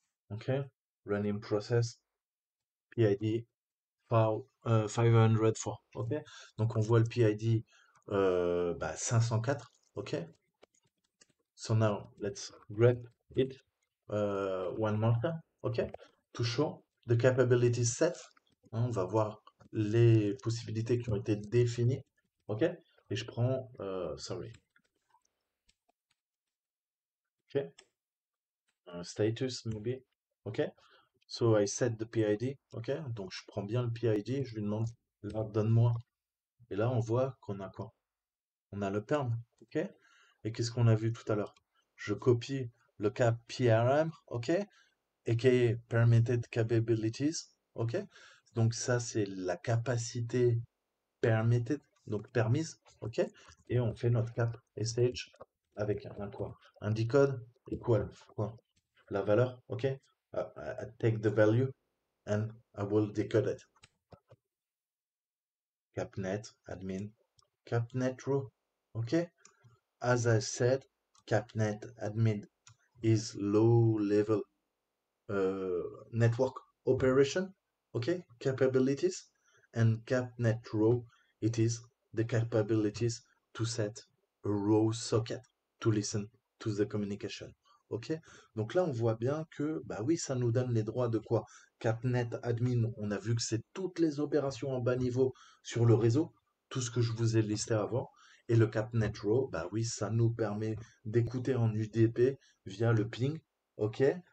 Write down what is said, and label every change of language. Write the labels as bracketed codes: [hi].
[en] OK, running process. PID 504. [fr] OK, donc on voit le PID bah, 504. [en] OK, so now let's grep it one more time. OK, to show the capability set. [fr] On va voir les possibilités qui ont été définies. OK? Et je prends sorry. [en] OK? Status maybe. OK? So I set the PID, OK? [fr] Donc je prends bien le PID, je lui demande là, donne-moi. Et là on voit qu'on a quoi? On a le perm, OK? Et qu'est-ce qu'on a vu tout à l'heure? Je copie le cap PRM, OK? [en] AKA permitted capabilities, OK? [fr] Donc ça c'est la capacité permitted. Donc permise, OK, et on fait notre cap SH avec un quoi? Un decode equal quoi? La valeur, OK, [en] I take the value and I will decode it. Capnet admin capnet row. Okay. As I said, capnet admin is low level network operation. Okay. Capabilities and capnet row, it is the capabilities to set a row socket to listen to the communication. Okay. [fr] Donc là, on voit bien que, bah oui, ça nous donne les droits de quoi? Capnet admin, on a vu que c'est toutes les opérations en bas niveau sur le réseau, tout ce que je vous ai listé avant. Et le capnet row, bah oui, ça nous permet d'écouter en UDP via le ping, ok?